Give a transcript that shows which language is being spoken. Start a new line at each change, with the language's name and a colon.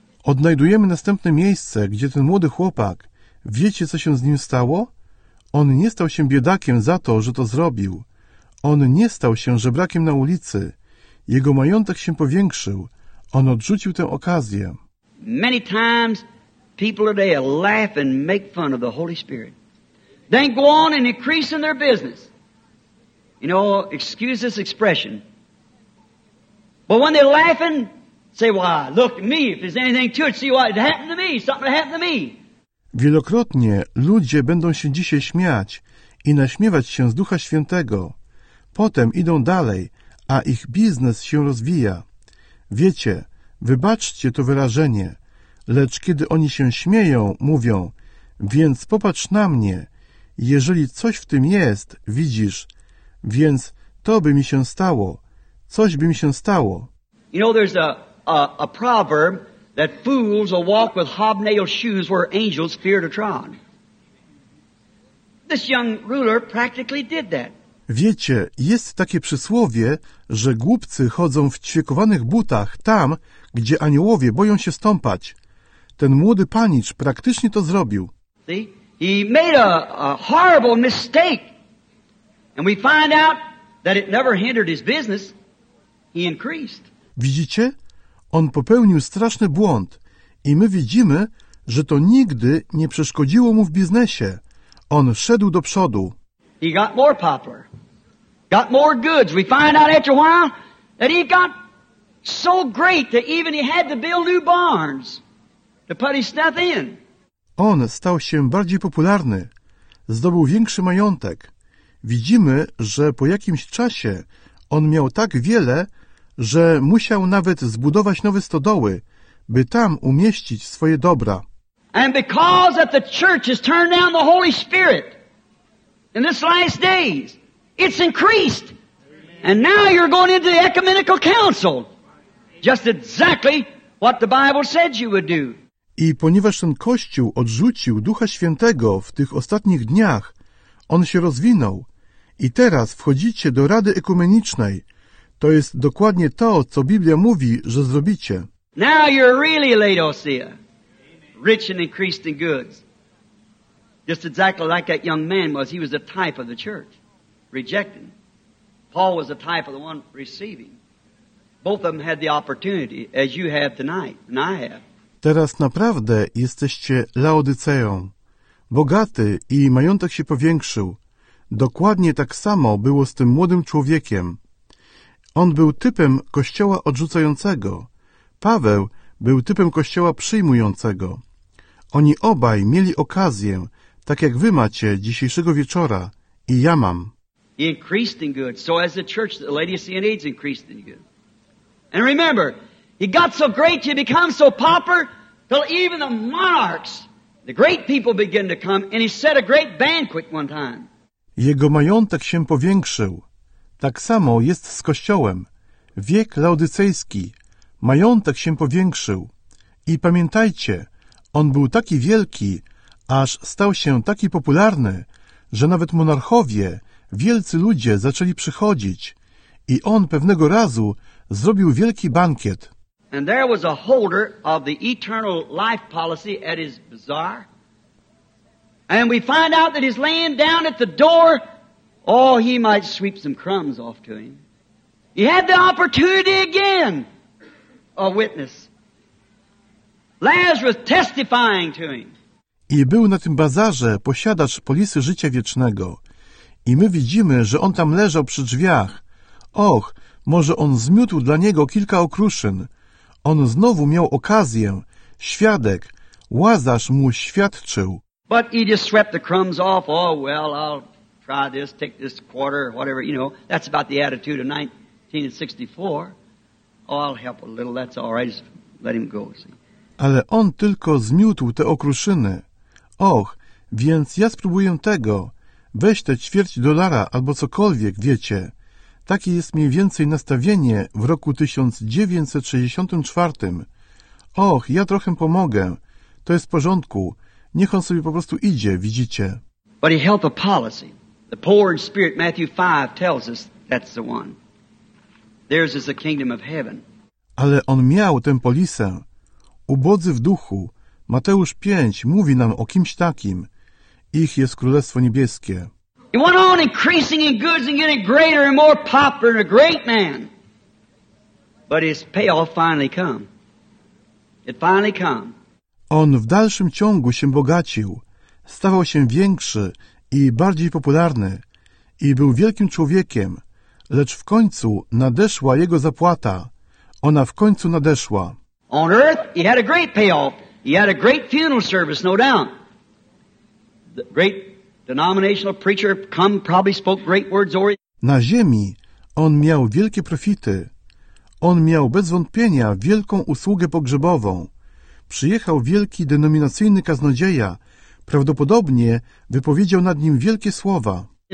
Polish: Odnajdujemy następne miejsce, gdzie ten młody chłopak, wiecie, co się z nim stało? On nie stał się biedakiem za to, że to zrobił. On nie stał się żebrakiem na ulicy. Jego majątek się powiększył. On odrzucił tę okazję.
English: Many times people today laugh and make fun of the Holy Spirit. They go on and increase in their business. You know, excuse this expression. But when they're laughing, say, why, look at me, if there's anything to it, see what happened to me, something happened to me.
Polish: Wielokrotnie ludzie będą się dzisiaj śmiać i naśmiewać się z Ducha Świętego. Potem idą dalej, a ich biznes się rozwija. Wiecie, wybaczcie to wyrażenie, lecz kiedy oni się śmieją, mówią, więc popatrz na mnie, jeżeli coś w tym jest, widzisz, więc to by mi się stało. Coś by mi się stało.
English: You know, there's a proverb that fools will walk with hobnailed shoes where angels fear to trod. This young ruler practically did that.
Polish: Wiecie, jest takie przysłowie, że głupcy chodzą w ćwiekowanych butach tam, gdzie aniołowie boją się stąpać. Ten młody panicz praktycznie to zrobił.
English: See? He made a horrible mistake. And we find out that it never hindered his business. He increased.
Polish: Widzicie? On popełnił straszny błąd i my widzimy, że to nigdy nie przeszkodziło mu w biznesie. On szedł do przodu.
English: He got more popular. Got more goods. We find out after a while that he got so great that even he had to build new barns to put his stuff in.
Polish: On stał się bardziej popularny. Zdobył większy majątek. widzimy, że po jakimś czasie on miał tak wiele, że musiał nawet zbudować nowe stodoły, by tam umieścić swoje dobra.
English: And because that the church has turned down the Holy Spirit in this last days, it's increased. And now you're going into the ecumenical council. Just exactly what the Bible said you would do.
Polish: I ponieważ ten Kościół odrzucił Ducha Świętego w tych ostatnich dniach, on się rozwinął. I teraz wchodzicie do Rady Ekumenicznej. To jest dokładnie to, co Biblia mówi, że zrobicie.
English: Now you're really Laodicea. Rich and increased in goods. Just exactly like that young man was. He was a type of the church. Rejecting. Paul was a type of the one receiving. Both of them had the opportunity, as you have tonight, and I have.
Polish: Teraz naprawdę jesteście Laodyceą. Bogaty i majątek się powiększył. Dokładnie tak samo było z tym młodym człowiekiem. On był typem kościoła odrzucającego. Paweł był typem kościoła przyjmującego. Oni obaj mieli okazję, tak jak wy macie dzisiejszego wieczora i ja mam.
English: He increased in good. So as the church, the Laodicean age increased in good. And remember, he got so great, he became so popular, till even the monarchs, the great people began to come, and he set a great banquet one time.
Polish: Jego majątek się powiększył. Tak samo jest z Kościołem. Wiek laodycejski. Majątek się powiększył. I pamiętajcie, on był taki wielki, aż stał się taki popularny, że nawet monarchowie, wielcy ludzie zaczęli przychodzić. I on pewnego razu zrobił wielki bankiet.
English: And there was a holder of the eternal life policy at his bazaar. And we find out that he's laying down at the door. Oh, he might sweep some crumbs off to him. He had the opportunity again. A witness. Lazarus testifying to him.
Polish: I był na tym bazarze posiadacz polisy życia wiecznego. I my widzimy, że on tam leżał przy drzwiach. Och, może on zmiótł dla niego kilka okruszyn. On znowu miał okazję. Świadek. Łazarz mu świadczył.
English: But he just swept the crumbs off. Oh, well, I'll try this, take this quarter, whatever, you know. That's about the attitude of 1964. Oh, I'll help a little, that's all right. Just let him go, see.
Polish: Ale on tylko zmiótł te okruszyny. Och, więc ja spróbuję tego. Weź te ćwierć dolara albo cokolwiek, wiecie. Takie jest mniej więcej nastawienie w roku 1964. Och, ja trochę pomogę. To jest w porządku. Niech on sobie po prostu idzie, widzicie.
English: But he held a policy. The poor in spirit, Matthew 5 tells us that's the one. Theirs is the kingdom of heaven.
Polish: Ale on miał tę polisę. Ubodzy w duchu. Mateusz 5 mówi nam o kimś takim. Ich jest Królestwo Niebieskie.
English: He went on increasing in goods and getting greater and more popular and a great man. But his payoff finally come. It finally come.
Polish: On w dalszym ciągu się bogacił, stawał się większy i bardziej popularny i był wielkim człowiekiem, lecz w końcu nadeszła jego zapłata. Ona w końcu nadeszła.
English: On earth he had a great payoff. He had a great funeral service, no doubt. The great denominational preacher come probably spoke great words over.
Polish: Na ziemi on miał wielkie profity. On miał bez wątpienia wielką usługę pogrzebową. Przyjechał wielki denominacyjny kaznodzieja. Prawdopodobnie wypowiedział nad nim wielkie słowa.